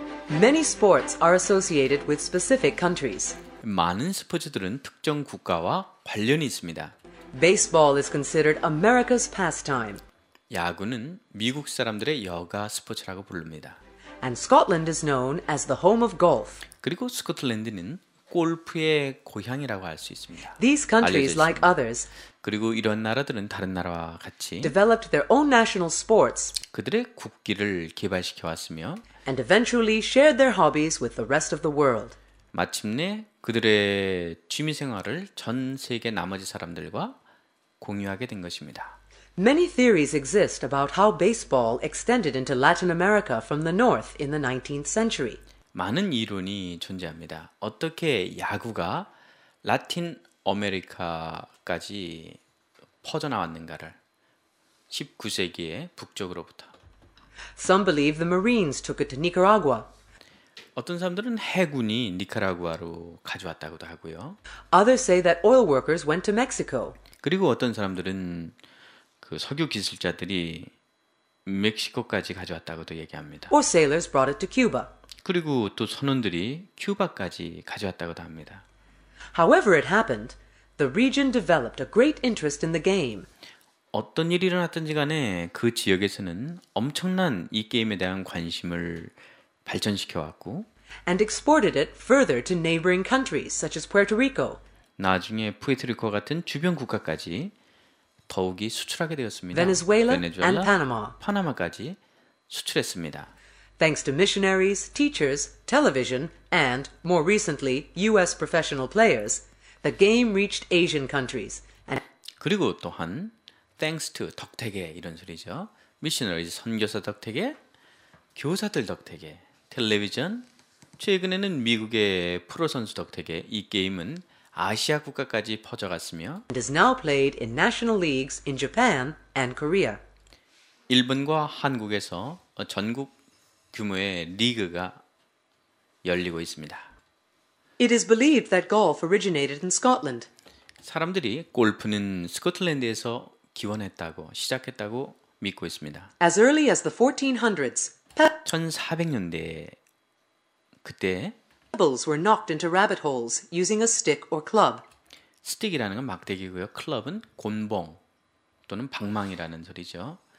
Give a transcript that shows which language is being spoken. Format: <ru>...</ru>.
<en>Many sports are associated with specific countries.</en> <ko>많은 스포츠들은 특정 국가와 관련이 있습니다.</ko> <en>Baseball is considered America's pastime.</en> <ko>야구는 미국 사람들의 여가 스포츠라고 부릅니다.</ko> <en>And Scotland is known as the home of golf.</en> <ko>그리고 스코틀랜드는 골프의 고향이라고 할 수 있습니다.</ko> <en>These countries like others.</en> <ko>그리고 이런 나라들은 다른 나라와 같이</ko> <en>developed their own national sports.</en> <ko>그들의 국기를 개발시켜 왔으며</ko> <en>and eventually shared their hobbies with the rest of the world.</en> <ko>마침내 그들의 취미 생활을 전 세계 나머지 사람들과 공유하게 된 것입니다.</ko> <en>Many theories exist about how baseball extended into Latin America from the north in the 19th century.</en> <ko>많은 이론이 존재합니다. 어떻게 야구가 라틴 아메리카까지 퍼져나왔는가를 19세기에 북쪽으로부터</ko> <en>Some believe the Marines took it to Nicaragua.</en> <ko>어떤 사람들은 해군이 니카라과로 가져왔다고도 하고요.</ko> <en>Others say that oil workers went to Mexico.</en> <ko>그리고 어떤 사람들은 그 석유 기술자들이 멕시코까지 가져왔다고도 얘기합니다.</ko> <en>Or sailors brought it to Cuba.</en> <ko>그리고 또 선원들이 큐바까지 가져왔다고도 합니다.</ko> <en>However it happened, the region developed a great interest in the game.</en> <ko>어떤 일이 일어났든지 간에 그 지역에서는 엄청난 이 게임에 대한 관심을 발전시켜왔고</ko> <en>and exported it further to neighboring countries such as Puerto Rico.</en> <ko>나중에 푸에르토리코 같은 주변 국가까지 더욱이 수출하게 되었습니다.</ko> <en>Venezuela, Venezuela and Panama.</en> <ko>파나마까지 수출했습니다.</ko> <en>Thanks to missionaries, teachers, television and more recently US professional players, the game reached Asian countries. And</en> <ko>그리고 또한 Thanks to, 덕택에 이런 소리죠. Missionaries, 선교사 덕택에, 교사들 덕택에, 텔레비전, 최근에는 미국의 프로선수 덕택에 이 게임은 아시아 국가까지 퍼져갔으며</ko> <en>and is now played in national leagues in Japan and Korea.</en> <ko>일본과 한국에서 전국 규모의 리그가 열리고 있습니다.</ko> <en>It is believed that golf originated in Scotland.</en> <ko>사람들이 골프는 스코틀랜드에서 기원했다고 시작했다고 믿고 있습니다.</ko> <en>As early as the 1400s,</en> <ko>1400년대 그때</ko> <en>pebbles were knocked into rabbit holes using a stick or club.</en> <ko>스틱이라는 건 막대기고요. 클럽은 곤봉 또는 방망이라는 소리죠.</ko>